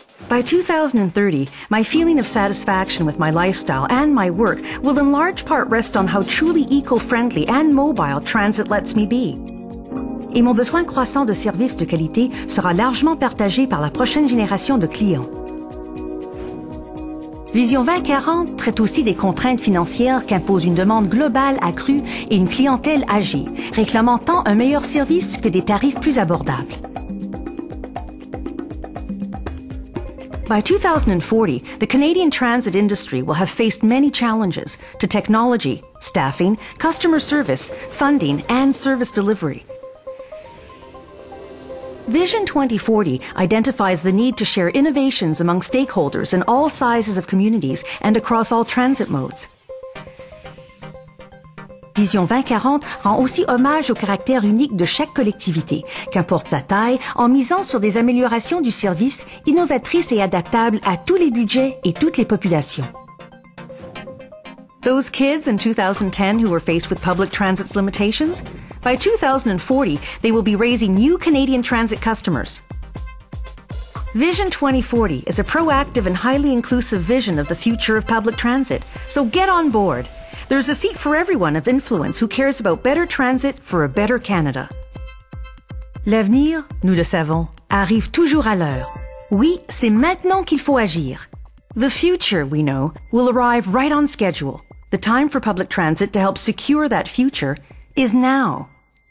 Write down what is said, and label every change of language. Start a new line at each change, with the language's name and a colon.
English: By 2030, my feeling of satisfaction with my lifestyle and my work will in large part rest on how truly eco-friendly and mobile transit lets me be.
French: Et mon besoin croissant de services de qualité sera largement partagé par la prochaine génération de clients. Vision 2040 traite aussi des contraintes financières qu'impose une demande globale accrue et une clientèle âgée, réclamant tant un meilleur service que des tarifs plus abordables.
English: By 2040, the Canadian transit industry will have faced many challenges to technology, staffing, customer service, funding and service delivery. Vision 2040 identifies the need to share innovations among stakeholders in all sizes of communities and across all transit modes.
French: Vision 2040 rend aussi hommage au caractère unique de chaque collectivité, qu'importe sa taille, en misant sur des améliorations du service innovatrices et adaptables à tous les budgets et toutes les populations.
English: Those kids in 2010 who were faced with public transit's limitations? By 2040, they will be raising new Canadian transit customers. Vision 2040 is a proactive and highly inclusive vision of the future of public transit. So get on board. There's a seat for everyone of influence who cares about better transit for a better Canada.
French: L'avenir, nous le savons, arrive toujours à l'heure. Oui, c'est maintenant qu'il faut agir.
English: The future, we know, will arrive right on schedule. The time for public transit to help secure that future is now.